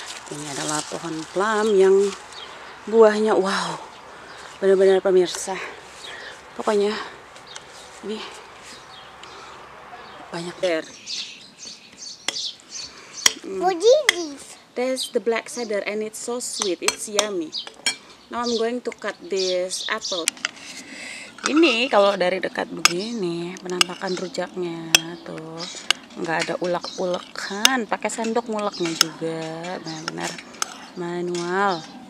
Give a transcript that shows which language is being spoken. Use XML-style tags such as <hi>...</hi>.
<id>Ini adalah pohon plum yang buahnya wow, benar-benar pemirsa. Pokoknya ini banyak cedar.</id> <en>What is this? That's the black cedar and it's so sweet, it's yummy. Now I'm going to cut this apple.</en> <id>Ini kalau dari dekat begini penampakan rujaknya tuh. Enggak ada ulek-ulekan, pakai sendok nguleknya juga. Benar-benar manual.</id>